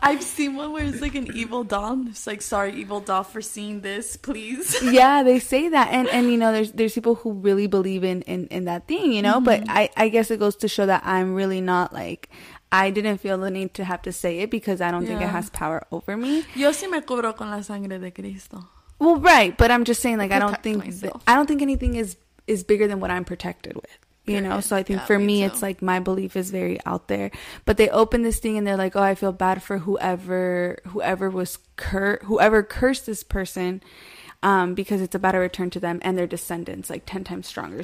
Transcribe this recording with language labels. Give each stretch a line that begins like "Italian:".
English: I've seen one where it's like an evil doll. It's like, sorry, evil doll, for seeing this, please. Yeah, they say that. And you know, there's people who really believe in that thing, you know, mm-hmm. But I guess it goes to show that I'm really not like, I didn't feel the need to have to say it because I don't think it has power over me.
Spanish: Yo sí me cubro con la sangre de Cristo.
English: Well, right. But I'm just saying, like, I don't think anything is bigger than what I'm protected with, you know? So I think it's like my belief is very out there. But they open this thing and they're like, oh, I feel bad for whoever cursed this person. Because it's about a return to them and their descendants, like 10 times stronger.